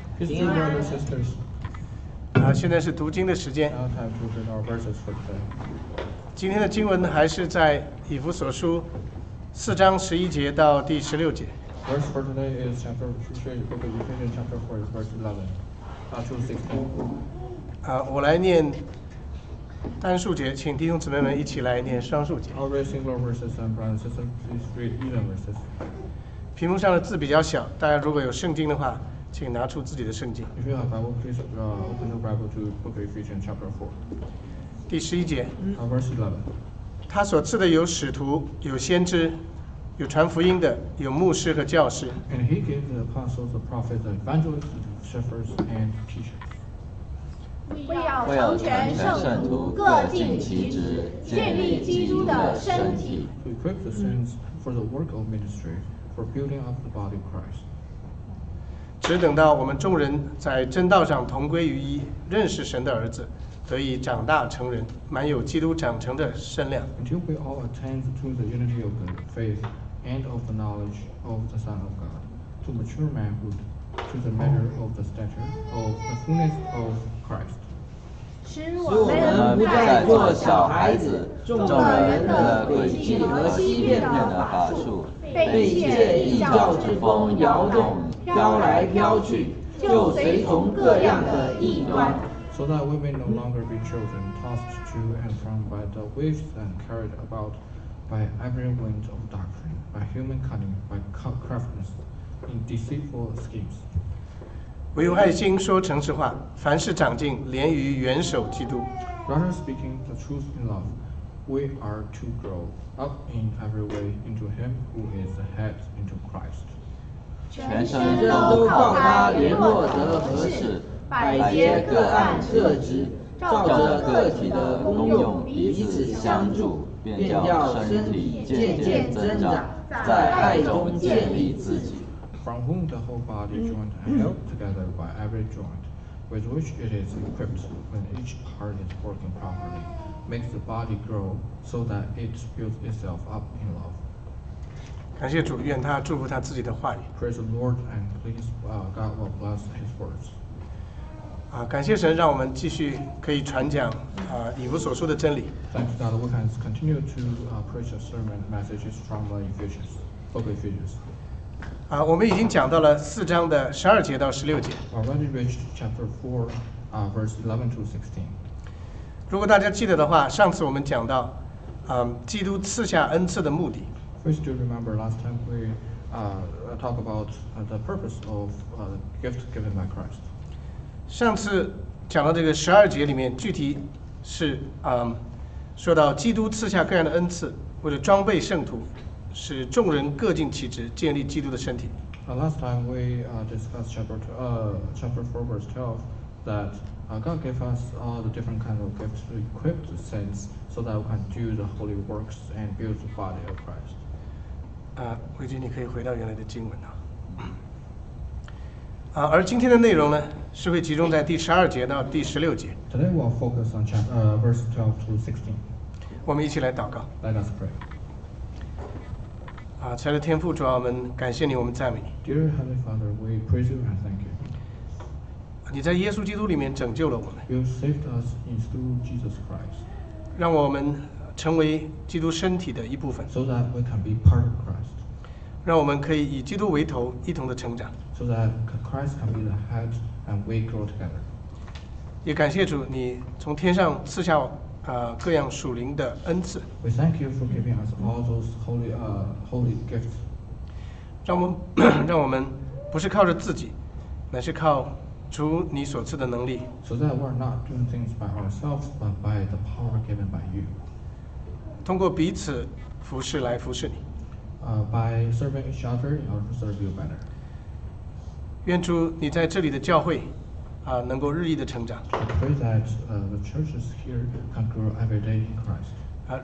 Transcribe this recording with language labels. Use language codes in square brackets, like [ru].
[en] Peace to you, brothers and sisters. [zh] 现在是读经的时间。 [en] Now time to read our verses for today. [zh] 今天的经文还是在以弗所书四章十一节到第十六节。 [en] Verse for today is chapter three, book of Ephesians, chapter four, verse 11. Chapter six. [zh] 我来念单数节，请弟兄姊妹们一起来念双数节。 [en] I'll read single verses and brothers and sisters, please read even verses. [zh] 屏幕上的字比较小，大家如果有圣经的话，请拿出自己的圣经。 [en] If you have Bible, please open your Bible to Book of Ephesians, chapter four. [zh] 第十一节。 [en] Verse 11. [zh] 他所赐的有使徒，有先知，有传福音的，有牧师和教师。 [en] And he gave the apostles, the prophets, the evangelists, shepherds, and teachers. [zh] 为要成全圣徒，各尽其职，建立基督的身体。 [en] To equip the saints for the work of ministry. For building up the body of Christ. [zh] 只等到我们众人在真道上同归于一，认识神的儿子，得以长大成人，满有基督长成的身量。 [en] Until we all attain to the unity of the faith and of the knowledge of the Son of God, to mature manhood, to the measure of the stature of the fullness of Christ. [zh] 使我们不再做小孩子，众人的诡计和欺骗的法术。被一切异教之风摇动，飘来飘去，就随从各样的异端。 [en] So that we may no longer be children tossed to and from by the waves and carried about by every wind of doctrine, by human cunning, by craftiness, in deceitful schemes. [zh] 唯有爱心说诚实话，凡事长进，连于元首基督。 [en] Rather speaking the truth in love. We are to grow up in every way into Him who is the head, into Christ. [zh] 全身都靠他联络得合适，百节各按各职，照着个体的功用彼此相助，便叫身体渐渐增长，在爱中建立自己。 [en] From whom the whole body joined and held together by every joint, with which it is equipped when each part is working properly. Makes the body grow so that it builds itself up in love. [zh] 感谢主，愿他祝福他自己的话语。 [en] Praise the Lord and please, God will bless His words. [zh] 感谢神，让我们继续可以传讲以弗所书的真理。 [en] Thanks God, we can continue to preach a sermon messages from the Ephesians, Book of Ephesians. [zh] 我们已经讲到了四章的十二节到十六节。 [en] We already reached chapter four, verse 11 to 16. [zh] 如果大家记得的话，上次我们讲到，基督赐下恩赐的目的。 [en] We still remember last time we talk about the purpose of gift given by Christ. [zh] 上次讲到这个十二节里面，具体是说到基督赐下各样的恩赐，为了装备圣徒，使众人各尽其职，建立基督的身体。 [en] Last time we discussed chapter four verse 12 that. God gave us all the different kinds of gifts to equip the saints so that we can do the holy works and build the body of Christ. [zh] 慧君，你可以回到原来的经文了。而今天的内容呢，是会集中在第十二节到第十六节。 [en] Today we'll focus on verse 12 to 16. [zh] 我们一起来祷告。 [en] Let us pray. [zh] 亲爱的天父，主啊，我们感谢你，我们赞美你。 [en] Dear Heavenly Father, we praise you and thank you. [zh] 你在耶稣基督里面拯救了我们。 [en] You saved us in through Jesus Christ. [zh] 让我们成为基督身体的一部分。 [en] So that we can be part of Christ. [zh] 让我们可以以基督为头，一同的成长。 [en] So that Christ can be the head and we grow together. [zh] 也感谢主，你从天上赐下各样属灵的恩赐。 [en] We thank you for giving us all those holy gifts. [zh] 让我们不是靠着自己，乃是靠主你所赐的能力。 [en] So that we are not doing things by ourselves, but by the power given by you. [zh] 通过彼此服侍来服侍你。 [en] By serving each other, in order to serve you better. [zh] 愿主你在这里的教会，能够日益的成长。 [en] I pray that the churches here can grow every day in Christ.